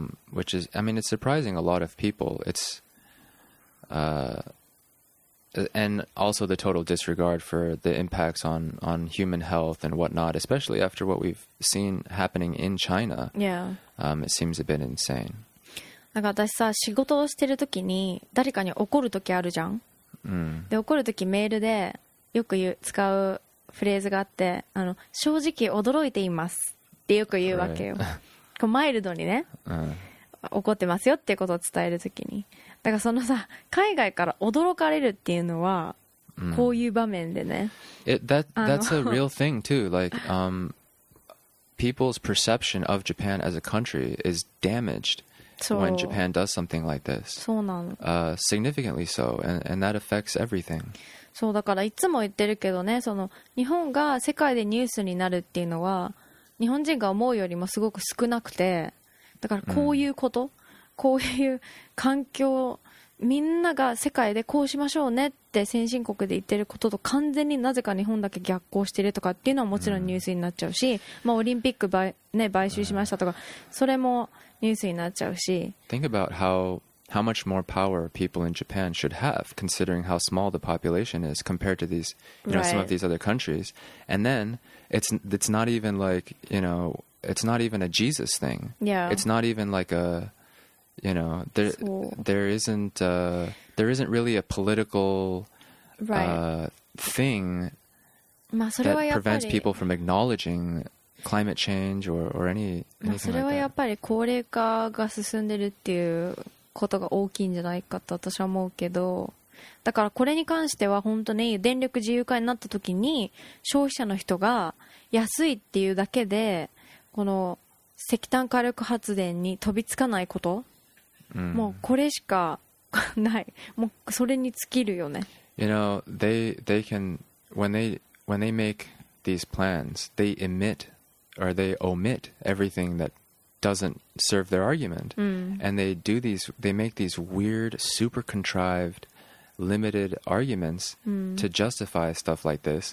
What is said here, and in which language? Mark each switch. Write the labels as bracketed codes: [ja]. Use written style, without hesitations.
[en] Which is, I mean, it's surprising a lot of people. It's... And also the total disregard for the impacts on human health and whatnot, especially after what we've seen happening in China. Yeah. It seems a bit insane. [ja] なんか私さ、仕事をしてる時に誰かに怒る時あるじゃん。で、怒る時メールでよく使うフレーズがあって、正直驚いていますってよく言うわけよ。こうマイルドにね。怒ってますよっていうことを伝えるときに、だからそのさ、海外から驚かれるっていうのはこういう場面でね、 [en] That's a real thing too. Like, people's perception of Japan as a country is damaged when Japan does something like this. [ja] そうなの。 [en] Significantly so, and that affects everything. [ja] そうだからいつも言ってるけどね、その日本が世界でニュースになるっていうのは日本人が思うよりもすごく少なくて。だからこういうこと、こういう環境、みんなが世界でこうしましょうねって先進国で言ってることと完全になぜか日本だけ逆行してるとかっていうのはもちろんニュースになっちゃうし、まあオリンピック買収しましたとか、それもニュースになっちゃうし。 [en] Think about how how much more power people in Japan should have, considering how small the population is compared to these, you know, right. some of these other countries. And then it's not even like, you know, it's not even a Jesus thing. Yeah. It's not even like a, you know, there isn't really a political thing that prevents people from acknowledging climate change or anything like that. [ja] それはやっぱり高齢化が進んでるっていうことが大きいんじゃないかと私は思うけど、だからこれに関しては本当に電力自由化になった時に消費者の人が安いっていうだけでこの石炭火力発電に飛びつかないこと、もうこれしかない、もうそれに尽きるよね。 [en] You know, they can when they make these plans, they emit or they omit everything that doesn't serve their argument, and they make these weird, super contrived, limited arguments to justify stuff like this.